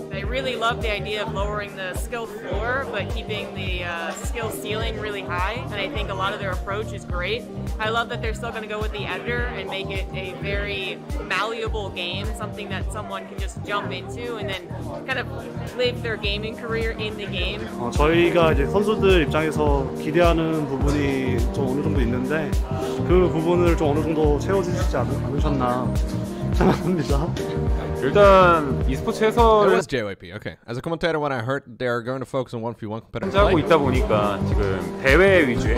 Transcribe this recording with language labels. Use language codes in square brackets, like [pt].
[en] I really love the idea of lowering the skill floor, but keeping the skill ceiling really high, and I think a lot of their approach is great. I love that they're still going to go with the editor and make it a very malleable game, something that someone can just jump into and then kind of live their gaming career in the game. [ko] 저희가 이제 선수들 입장에서 기대하는 부분이 좀 어느 정도 있는데 그 부분을 좀 어느 정도 채워주시지 않으셨나 생각합니다. 일단 e스포츠 해설을 [en] It was JYP. Okay. As a commentator, when I heard they are going to focus on 1v1 competitive [ko] 하고 있다 보니까 지금 대회 위주의